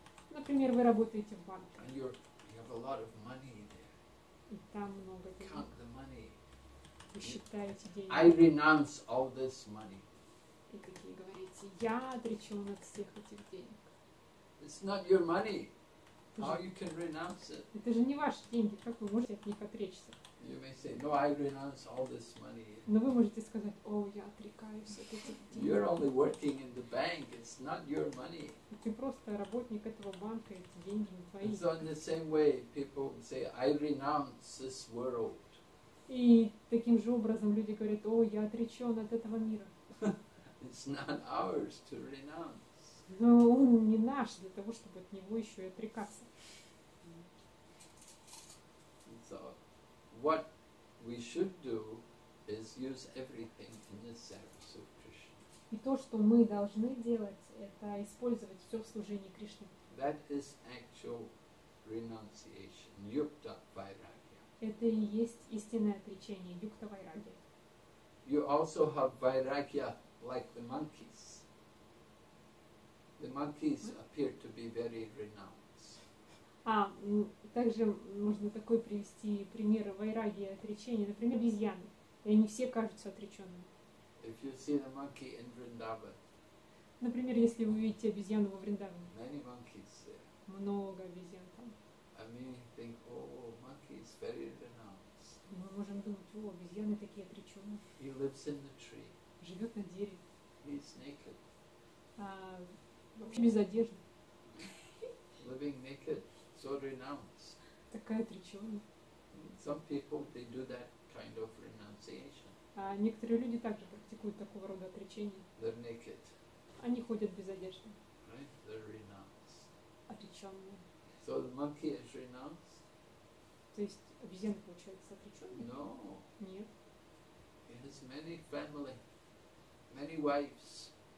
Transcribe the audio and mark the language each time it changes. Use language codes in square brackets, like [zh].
[ru] Например, вы работаете в банке. [en] And you have a lot of money there. [ru] И там много денег. [en] Count the money. [ru] Вы считаете деньги. [en] I renounce all this money. [ru] И такие говорите, я отречен от всех этих денег. [en] It's not your money. How you can renounce it? [ru] Это же не ваши деньги, как вы можете от них отречься? [en] You may say, no, I renounce all this money. [ru] Но вы можете сказать, о, я отрекаюсь от этих денег. [en] You're only working in the bank. It's not your money. [ru] Ты просто работник этого банка, эти деньги не твои. [en] So in the same way, people say, I renounce this world. [ru] И таким же образом люди говорят, о, я отречен от этого мира. [en] It's not ours to renounce. [ru] Но он не наш для того, чтобы от него еще и отрекаться. [en] So, what we should do is use everything in the service of Krishna. [ru] И то, что мы должны делать, это использовать все в служении Кришне. [en] That is actual renunciation, yukta vairagya. [ru] Это и есть истинное отречение, юкта вайрагья. [en] You also have vairagya like the monkeys. The monkeys appear to be very renounced. [ru] А, также можно такой привести пример вайрагии отречения, например, обезьяны. И они все кажутся отреченными. [en] If you see the monkey in Vrindavan. [ru] Например, если вы видите обезьяну во Вриндаване. [en] Many monkeys there. [ru] Много обезьян там. [en] And we think, oh, monkeys very renounced. [ru] Мы можем думать, о, обезьяны такие отреченные. [en] He lives in the tree. [ru] Живет на дереве. [en] He's naked. [ru] Без одежды. [en] Living naked, so renounced. [ru] Такая отреченная. [en] Some people they do that kind of renunciation. [ru] А некоторые люди также практикуют такого рода отречение. [en] They're naked. [ru] Они ходят без одежды. [en] Right? They're renounced. [ru] Отреченные. [en] So the monkey is renounced? [ru] То есть обезьяна получается отреченная? [en] No. [ru] Нет. [en] He has many family, many wives.